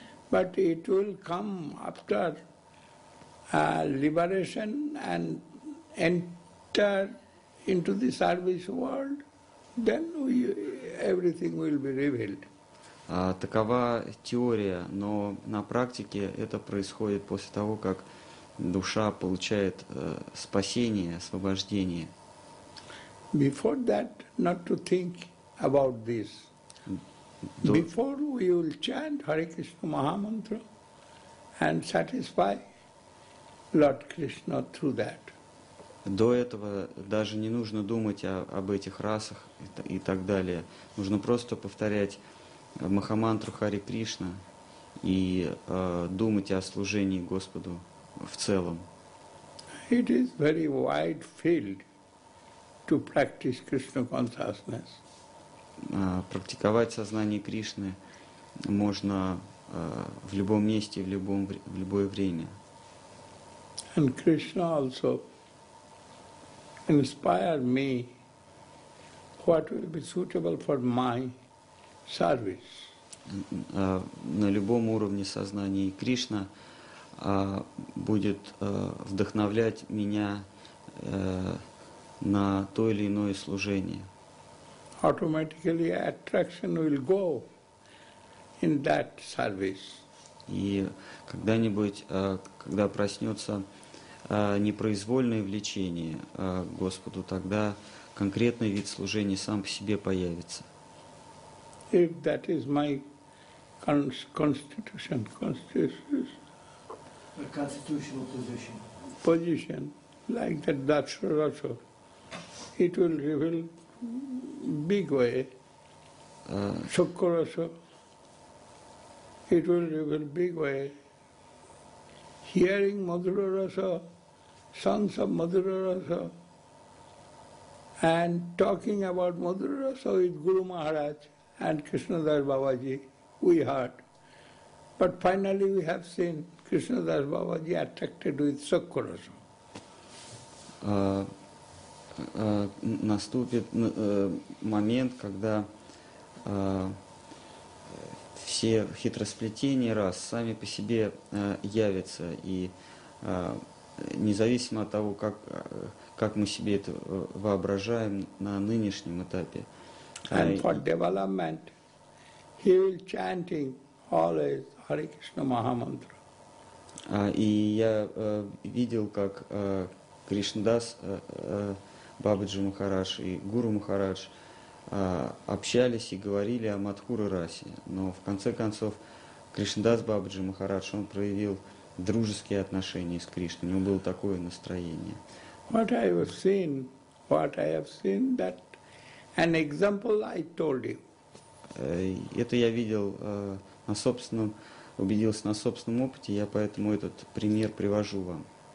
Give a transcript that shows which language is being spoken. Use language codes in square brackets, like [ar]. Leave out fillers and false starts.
[en] But it will come after liberation and enter into the service world, then everything will be revealed. [ru] Такова теория, но на практике это происходит после того, как душа получает спасение, освобождение. [en] Before that, not to think about this. Before we will chant Hare Krishna Mahamantra and satisfy Lord Krishna through that. [ru] До этого даже не нужно думать об этих расах и так далее. Нужно просто повторять Махамантру Хари Кришна и думать о служении Господу в целом. [en] It is very wide field to practice Krishna consciousness. [ru] Практиковать сознание Кришны можно в любом месте, в любое время. [en] And Krishna also inspired me what will be suitable for my service. [ru] На любом уровне сознания Кришна будет вдохновлять меня на то или иное служение. [en] Automatically attraction will go in that service. [ru] И когда-нибудь, когда проснется непроизвольное влечение к Господу, тогда конкретный вид служения сам по себе появится. [en] If that is my constitutional position, like that Dakshara-rasa, it will reveal big way. Sukha-rasa, it will reveal big way. Hearing Madhura-rasa, songs of Madhura-rasa, and talking about Madhura-rasa with Guru Maharaj and Krishnadas Babaji, we heard. But finally we have seen Krishnadas Babaji attracted with Sukha-rasa. [ru] Наступит момент, когда все хитросплетения раз сами по себе явятся, и независимо от того, как мы себе это воображаем на нынешнем этапе. [en] And for development, he will chanting always Hare Krishna Mahamantra. [ru] И я видел, как Кришнадас Бабаджи Махарадж и Гуру Махарадж общались и говорили о Мадхура-расе. Но в конце концов Кришнадас Бабаджи Махарадж, он проявил дружеские отношения с Кришной. У него было такое настроение. [en] What I have seen, that an example I told you. [ru] Это я видел на собственном, убедился на собственном опыте, я поэтому этот пример привожу вам.